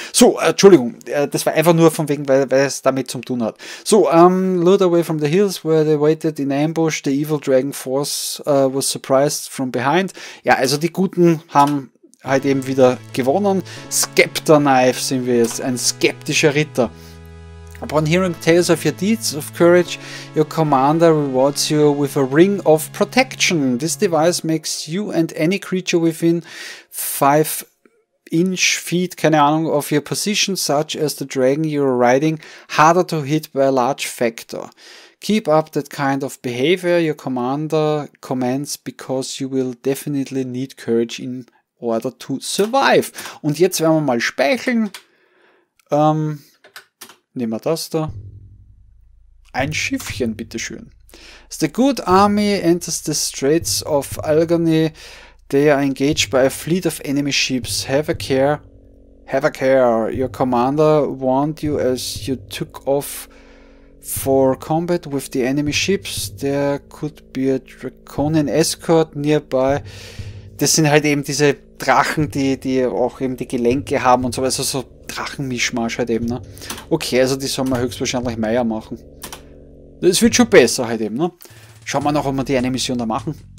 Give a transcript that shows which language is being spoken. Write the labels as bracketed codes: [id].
[de] So, Entschuldigung, das war einfach nur von wegen, weil es damit zu tun hat. [en] So, Lured away from the hills where they waited in ambush, the evil dragon force was surprised from behind. [de] Ja, also die Guten haben halt eben wieder gewonnen. Scepter Knife sind wir jetzt, ein skeptischer Ritter. [en] Upon hearing tales of your deeds of courage, your commander rewards you with a ring of protection. This device makes you and any creature within 5-inch feet, [de] keine Ahnung, [en] of your position, such as the dragon you're riding, harder to hit by a large factor. Keep up that kind of behavior, your commander commands, because you will definitely need courage in order to survive. [de] Und jetzt werden wir mal speicheln. Nehmen wir das da. Ein Schiffchen, bitteschön. [en] As the good army enters the Straits of Algony, they are engaged by a fleet of enemy ships. Have a care. Have a care. Your commander warned you as you took off for combat with the enemy ships. There could be a draconian escort nearby. [de] Das sind halt eben diese Drachen, die auch eben die Gelenke haben und so weiter. Also so Drachenmischmasch halt eben, ne? Okay, also die sollen wir höchstwahrscheinlich Meier machen. Das wird schon besser halt eben, ne? Schauen wir noch, ob wir die eine Mission da machen.